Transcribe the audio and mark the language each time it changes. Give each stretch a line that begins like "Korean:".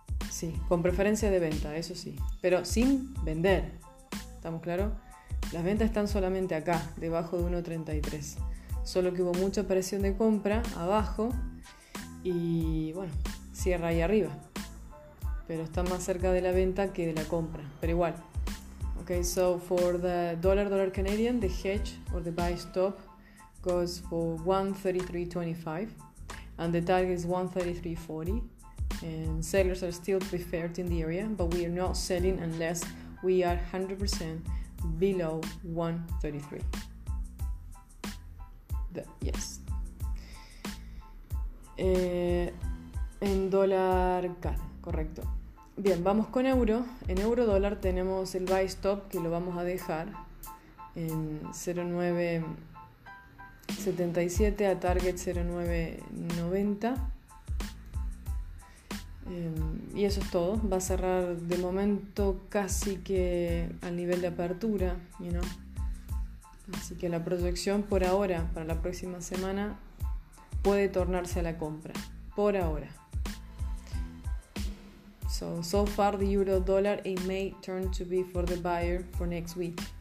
Spanish: Sí, con preferencia de venta, eso sí, pero sin vender. ¿Estamos claros? Las ventas están solamente acá, debajo de 1.33. Solo que hubo mucha presión de compra abajo y bueno, cierra ahí arriba. Pero está más cerca de la venta que de la compra, pero igual.
English: Okay, so for the dollar Canadian, the hedge or the buy stop goes for 1.3325 and the target is 1.3340 and sellers are still preferred in the area, but we are not selling unless we are 100% below 1.33.
Spanish: En dólar CAD, correcto. Bien, vamos con euro. En euro dólar tenemos el buy stop, que lo vamos a dejar en 0.977 a target 0.990. Y eso es todo. Va a cerrar de momento casi que al nivel de apertura,
English: you know.
Spanish: Así que la proyección por ahora, para la próxima semana, puede tornarse a la compra. Por ahora.
English: So far the euro dollar, it may turn to be for the buyer for next week.